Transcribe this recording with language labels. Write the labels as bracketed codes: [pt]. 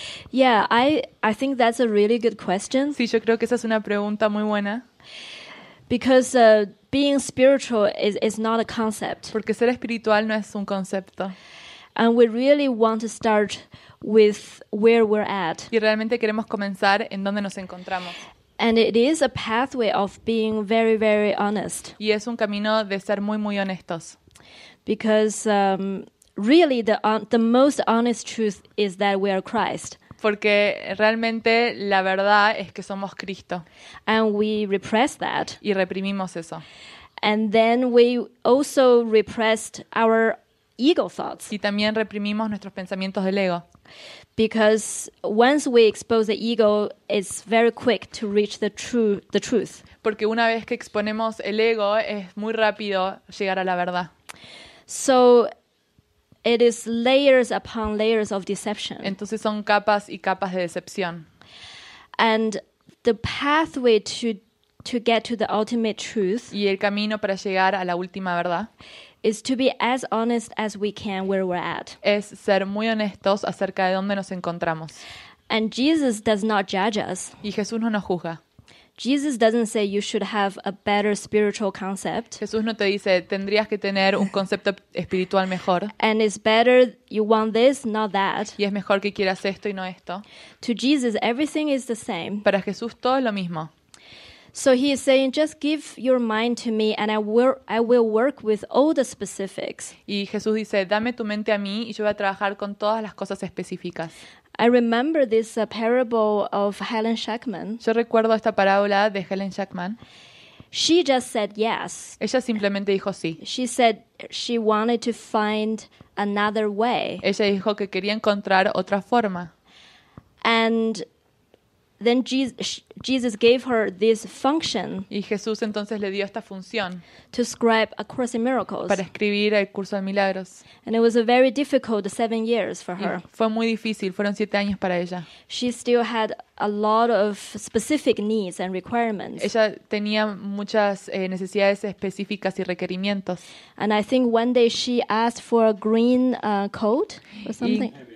[en] Yeah, I think that's a really good question. [es] Sí, yo creo que esa es una pregunta muy buena. [en] Because being spiritual is not a concept. [es] Porque ser espiritual no es un concepto. [en] And we really want to start with where we're at. [es] Y realmente queremos comenzar en donde nos encontramos. [en] And it is a pathway of being very, very honest. [es] Y es un camino de ser muy, muy honestos. [en] Because really the most honest truth is that we are Christ. [es] Porque realmente la verdad es que somos Cristo. [en] And we repress that. [es] Y reprimimos eso. [en] And then we also repressed our ego thoughts. [es] Y también reprimimos nuestros pensamientos del ego. [en] Because once we expose the ego, it's very quick to reach the truth. [es] Porque una vez que exponemos el ego, es muy rápido llegar a la verdad. [en] So it is layers upon layers of deception. [es] Entonces son capas y capas de decepción. [en] And the pathway to get to the ultimate truth. [es] Y el camino para llegar a la última verdad. [en] Is to be as honest as we can where we're at. [es] Es ser muy honestos acerca de dónde nos encontramos. [en] And Jesus does not judge us. [es] Y Jesús no nos juzga. [en] Jesus doesn't say you should have a better spiritual concept. [es] Jesús no te dice tendrías que tener un concepto espiritual mejor. [en] And it's better you want this, not that. [es] Y es mejor que quieras esto y no esto. [en] To Jesus, everything is the same. [es] Para Jesús todo es lo mismo. [en] So he is saying, just give your mind to me, and I will work with all the specifics. [es] Y Jesús dice, dame tu mente a mí, y yo voy a trabajar con todas las cosas específicas. [en] I remember this parable of Helen Schackman. [es] Yo recuerdo esta parábola de Helen Schackman. [en] She just said yes. [es] Ella simplemente dijo sí. [en] She said she wanted to find another way. [es] Ella dijo que quería encontrar otra forma. [en] And then Jesus gave her this function. [es] Y Jesús entonces le dio esta función. [en] To scribe a course in miracles. [es] Para escribir el curso de milagros. [en] And it was a very difficult 7 years for her. [es] Y fue muy difícil, fueron 7 años para ella. [en] She still had a lot of specific needs and requirements. [es] Ella tenía muchas necesidades específicas y requerimientos. [en] And I think one day she asked for a green coat or something.